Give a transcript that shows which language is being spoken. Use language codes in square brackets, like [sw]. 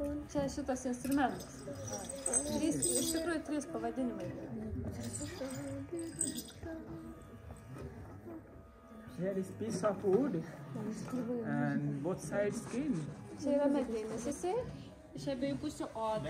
[lt] Čia šitas instrumentas. Iš tikrųjų trys pavadinimai. [en] Here is piece of wood and both sides skin. [lt] Čia yra medienas, jis iš abiejų pusių oda.